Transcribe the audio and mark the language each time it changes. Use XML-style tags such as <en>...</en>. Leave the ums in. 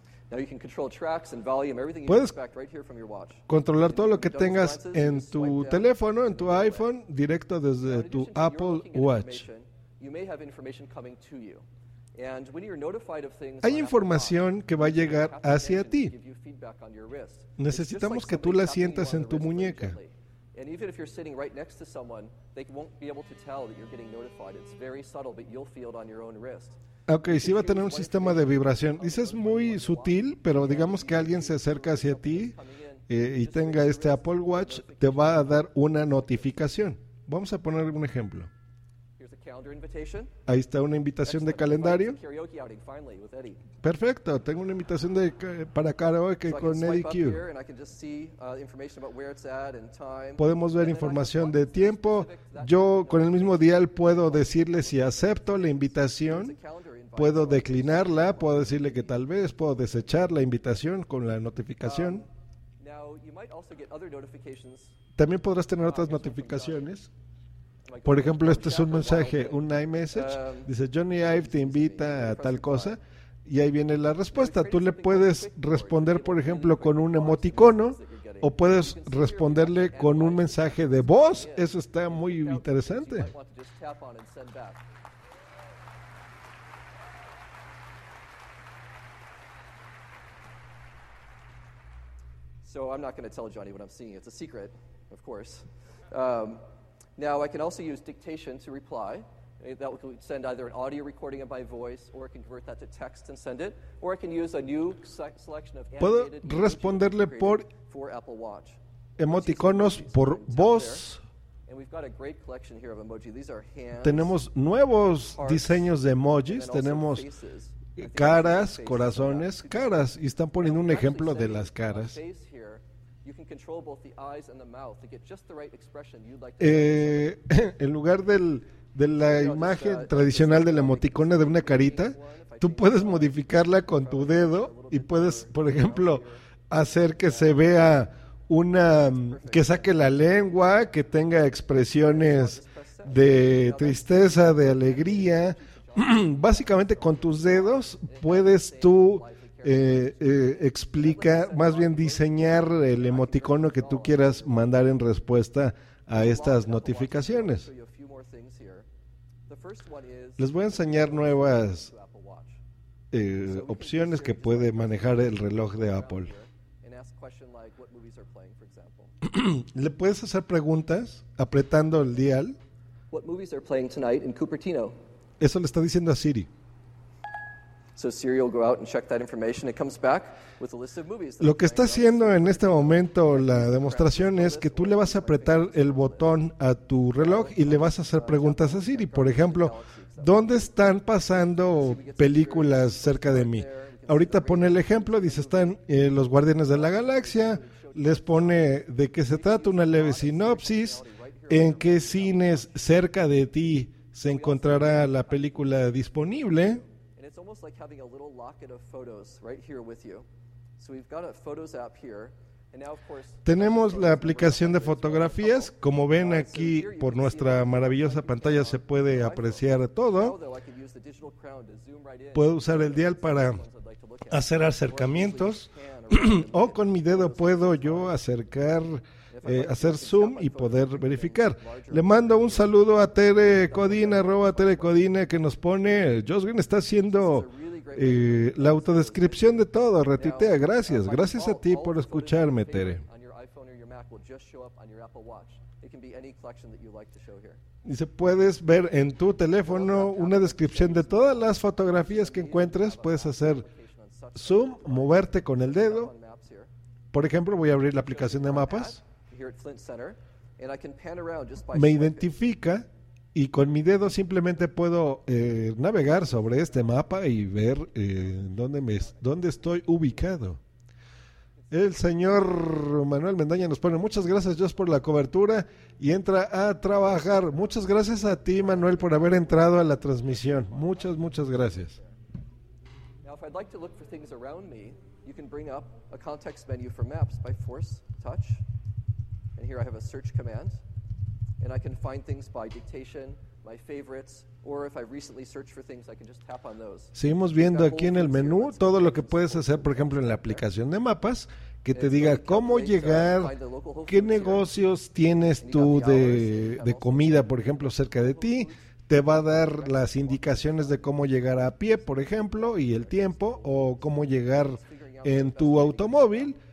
<en>Now you can control tracks and volume, everything you</en> <es>Puedes</es> <en>expect right here from your watch.</en> <es>Controlar todo lo que tengas en tu teléfono, en tu iPhone, directo desde tu Apple Watch.</es> <en>Information, You may have information coming to you. And when you're notified of things,</en> <es>Hay información que va a llegar hacia ti.</es> <en>you feedback on your wrist.</en> <es>Necesitamos que tú la sientas en tu muñeca.</es> <en>And even if you're sitting right next to someone, they won't be able to tell that you're getting notified. It's very subtle, but you'll feel it on your own wrist.</en> <es>Ok, sí va a tener un sistema de vibración. Dice es muy sutil, pero digamos que alguien se acerca hacia ti eh, y tenga este Apple Watch, te va a dar una notificación. Vamos a poner un ejemplo.</es> <en>Here's a calendar invitation.</en> <es>Ahí está una invitación de calendario.</es> <en>Karaoke outing finally with Eddie.</en> <es>Perfecto, tengo una invitación de, ca- para karaoke</es> <en>So I can</en> <es>con Eddie</es> <en>swipe up Q. here and I can just see uh, information about where it's at and time.</en> <es>Podemos ver información de tiempo. Yo con el mismo dial puedo decirle si acepto la invitación, puedo declinarla, puedo decirle que tal vez, puedo desechar la invitación con la notificación.</es> <en>Now you might also get other notifications.</en> <es>También podrás tener otras notificaciones. Por ejemplo, este es un mensaje, un iMessage. Dice Johnny Ive te invita a tal cosa. Y ahí viene la respuesta. Tú le puedes responder, por ejemplo, con un emoticono o puedes responderle con un mensaje de voz. Eso está muy interesante.</es> <en>Want to just tap on and send back. So I'm not going to tell Johnny what I'm seeing. It's a secret, of course. Um, now I can also use dictation to reply. Eh, That will send either an audio recording of my voice, or I can convert that to text and send it, or I can use a new se- selection of</en> <es>Puedo</es> <en>animated images</en> <es>responderle por</es> <en>created for Apple Watch.</en> <es>emoticonos, por voz.</es> <en>And we've got a great collection here of emoji. These are hands.</en> <es>Tenemos nuevos diseños de emojis. Tenemos eh, caras, corazones, caras. Y están poniendo un ejemplo de las caras.</es> <en>Face here You can control both the eyes and the mouth to get just the right expression you'd like to</en> <es>Eh, en lugar del- de la imagen tradicional del emoticona de una carita, tú puedes modificarla con tu dedo y puedes, por ejemplo, hacer que se vea una mm, que saque la lengua, que tenga expresiones de tristeza, de alegría. Básicamente con tus dedos puedes tú eh, eh, explica, más bien diseñar el emoticono que tú quieras mandar en respuesta a estas notificaciones.</es> <en>show you a few more things here. The first one is</en> <es>Les voy a enseñar nuevas eh, opciones que puede manejar el reloj de Apple.</es> <en>and ask question like what movies are playing, for example.</en> <es>Le puedes hacer preguntas apretando el dial.</es> <en>What movies are playing tonight in Cupertino?</en> <es>Eso le está diciendo a Siri.</es> <en>So Siri will go out and check that information. It comes back with a list of movies. that</en> <es>Lo que está haciendo en este momento la demostración es que tú le vas a apretar el botón a tu reloj y le vas a hacer preguntas a Siri. Por ejemplo, ¿dónde están pasando películas cerca de mí? Ahorita pone el ejemplo, dice, están eh, los Guardianes de la Galaxia, les pone de qué se trata, una leve sinopsis, en qué cines cerca de ti se encontrará la película disponible.</es> <en>And it's almost like having a little locket of photos right here with you. So we've got a photos app here. And now, of course,</en> <es>Tenemos la aplicación de fotografías. Como ven aquí por nuestra maravillosa pantalla se puede apreciar todo.</es> <en>though, I could use the digital crown to zoom right in.</en> <es>Puedo usar el dial para hacer acercamientos o con mi dedo puedo yo acercar, eh, hacer zoom y poder verificar. Le mando un saludo a Tere Codina, arroba Tere Codina que nos pone, Josh Green está haciendo eh, la autodescripción de todo, retitea, gracias, gracias a ti por escucharme Tere.</es> <en>On your iPhone or your Mac will just show up on your Apple Watch. It can be any collection that you like to show here.</en> <es>Dice, puedes ver en tu teléfono una descripción de todas las fotografías que encuentres. Puedes hacer zoom, moverte con el dedo. Por ejemplo, voy a abrir la aplicación de mapas.</es> <en>Here at Flint Center, and I can pan around just by</en> <es>Me identifica y con mi dedo simplemente puedo eh, navegar sobre este mapa y ver eh, dónde, me, dónde estoy ubicado. El señor Manuel Mendaña nos pone muchas gracias Dios por la cobertura y entra a trabajar. Muchas gracias a ti Manuel por haber entrado a la transmisión. Muchas, muchas gracias.</es> <en>Now, if I'd like to look for things around me, you can bring up a context menu for maps by force, touch. And here I have a search command. And I can find things by dictation, my favorites, or if I recently searched for things, I can just tap on those.</en> <es>Seguimos viendo aquí en el menú todo lo que puedes hacer, por ejemplo, en la aplicación de mapas, que te diga cómo llegar, qué negocios tienes tú de, de comida, por ejemplo, cerca de ti. Te va a dar las indicaciones de cómo llegar a pie, por ejemplo, y el tiempo, o cómo llegar en tu automóvil.</es>